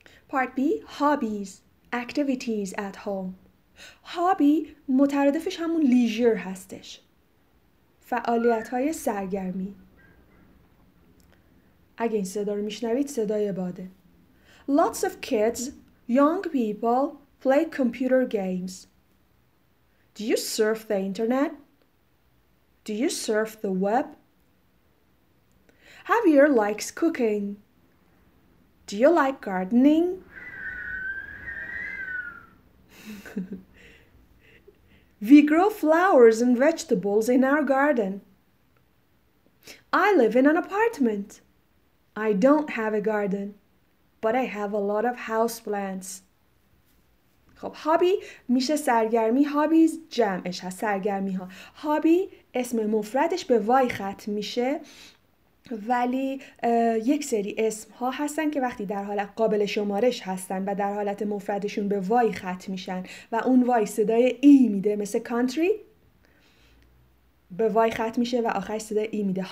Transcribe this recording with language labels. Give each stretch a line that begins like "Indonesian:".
English: Part B. Hobbies. Activities at home.
Persian: هابی مترادفش همون لیژر هستش، فعالیت های سرگرمی. اگه این صدا رو میشنوید صدای باده.
English: Lots of kids, young people play computer games. Do you surf the internet? Do you surf the web? Javier likes cooking. Do you like gardening? We grow flowers and vegetables in our garden. I live in an apartment. I don't have a garden, but I have a lot of house plants.
Persian: خب هابی میشه سرگرمی، هابیز جمعش هست، سرگرمی ها. هابی اسم مفردش به وای ختم میشه، ولی یک سری اسم ها هستن که وقتی در حالت قابل شمارش هستن و در حالت مفردشون به وای ختم میشن و اون وای صدای ای میده، مثل country به وای ختم میشه و آخرش صدای ای میده.